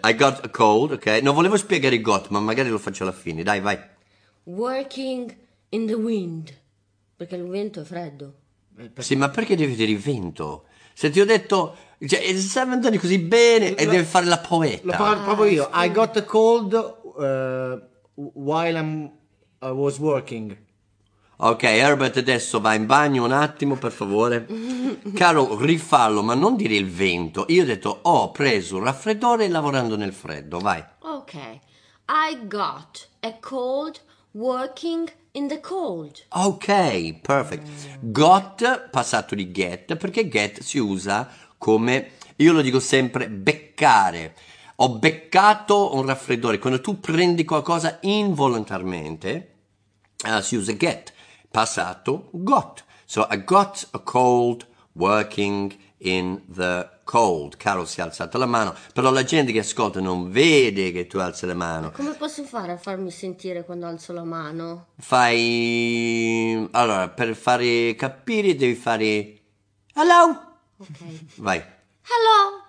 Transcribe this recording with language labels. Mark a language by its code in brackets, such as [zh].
[en] I got a cold, ok? [it] Non volevo spiegare got, ma magari lo faccio alla fine. Dai, vai. [en] Working in the wind. [it] Perché il vento è freddo. Sì, ma perché devi dire vento? Se ti ho detto, cioè, stai andando così bene e devi fare la poeta. Provo io. [en] I got a cold while I was working. [it] Ok, Herbert adesso va in bagno un attimo, per favore. Caro, rifallo, ma non dire il vento. Io ho detto, ho preso un raffreddore lavorando nel freddo, vai. [en] Ok, I got a cold working in the cold. Ok, perfect. [it] Got, passato di get, perché get si usa come, io lo dico sempre, beccare. Ho beccato un raffreddore. Quando tu prendi qualcosa involontariamente, si usa get. Passato, got. [en] So, I got a cold working in the cold. [it] Carol si è alzata la mano, però la gente che ascolta non vede che tu alzi la mano. Come posso fare a farmi sentire quando alzo la mano? Fai, allora, per fare capire devi fare hello. Ok, vai. [en] Hello.